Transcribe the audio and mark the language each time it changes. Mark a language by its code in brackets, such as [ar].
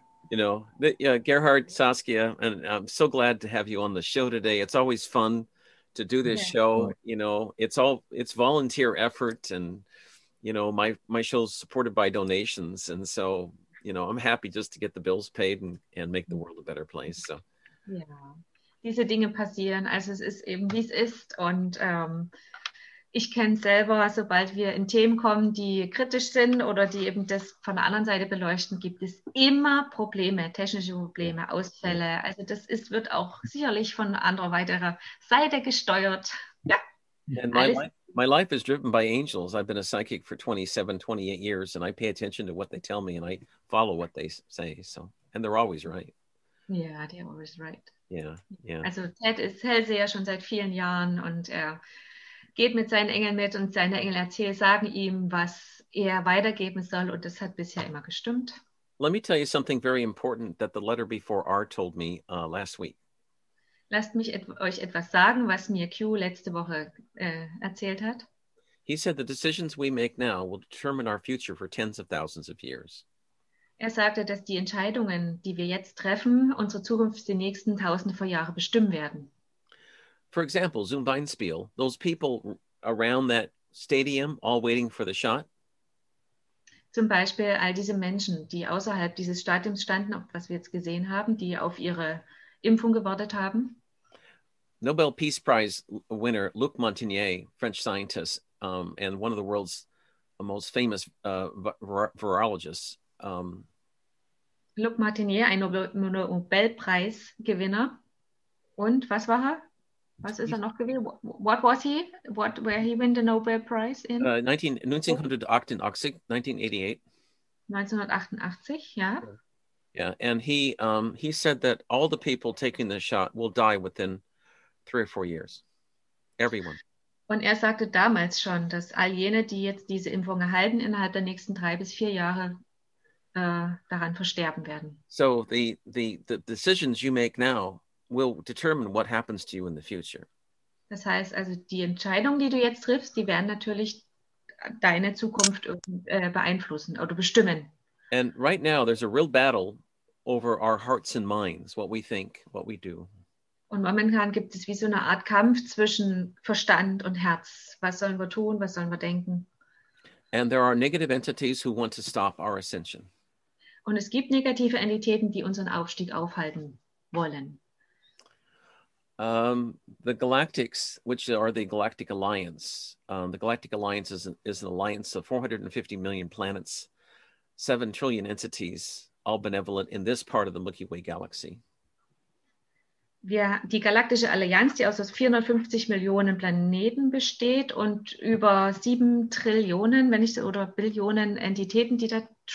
[en] You know, Gerhard, Saskia, and I'm so glad to have you on the show today. It's always fun to do this show. You know, it's volunteer effort, and you know, my show's supported by donations, and so you know, I'm happy just to get the bills paid and make the world a better place. So, [de] diese Dinge passieren. Also es ist eben wie es ist, und ich kenne selber, sobald wir in Themen kommen, die kritisch sind oder die eben das von der anderen Seite beleuchten, gibt es immer Probleme, technische Probleme, Ausfälle. Also das ist, wird auch sicherlich von anderer weiterer Seite gesteuert. Ja. [en] And my life is driven by angels. I've been a psychic for 27, 28 years and I pay attention to what they tell me and I follow what they say. So, and they're always right. Yeah, they're always right. Yeah. [de] Also Ted ist Hellseher schon seit vielen Jahren und er geht mit seinen Engeln mit und seine Engel erzählen, sagen ihm, was er weitergeben soll, und das hat bisher immer gestimmt. [en] Let me tell you something very important that the letter before R told me last week. [de] Lasst mich euch etwas sagen, was mir Q letzte Woche erzählt hat. [en] He said the decisions we make now will determine our future for tens of thousands of years. [de] Er sagte, dass die Entscheidungen, die wir jetzt treffen, unsere Zukunft die nächsten tausende von Jahren bestimmen werden. [en] For example, [de] Zum Beinspiel, [en] those people around that stadium all waiting for the shot. [de] Zum Beispiel all diese Menschen, die außerhalb dieses Stadiums standen, was wir jetzt gesehen haben, die auf ihre Impfung gewartet haben. [en] Nobel Peace Prize winner Luc Montagnier, French scientist, and one of the world's most famous virologists. [de] Luc Montagnier, ein Nobelpreisgewinner. Und was war er? Was ist er noch gewesen? [en] What was he? What, where he win the Nobel Prize in? 1988. Yeah. Yeah, and he said that all the people taking the shot will die within 3 or 4 years. Everyone. [de] Und er sagte damals schon, dass all jene, die jetzt diese Impfung erhalten, innerhalb der nächsten 3 bis 4 Jahre daran versterben werden. [en] So the decisions you make now will determine what happens to you in the future. [de] Das heißt also, die Entscheidungen, die du jetzt triffst, die werden natürlich deine Zukunft beeinflussen oder bestimmen. [en] And right now there's a real battle over our hearts and minds, what we think, what we do. [de] Und momentan gibt es wie so eine Art Kampf zwischen Verstand und Herz. Was sollen wir tun, was sollen wir denken? [en] And there are negative entities who want to stop our ascension. [de] Und es gibt negative Entitäten, die unseren Aufstieg aufhalten wollen. [en] The Galactics, which are the Galactic Alliance. The Galactic Alliance is an alliance of 450 million planets, 7 trillion entities, all benevolent in this part of the Milky Way galaxy. [de] Die Galaktische Allianz, die aus 450 Millionen Planeten besteht und über 7 Trillionen, wenn ich oder Billionen Entitäten, die da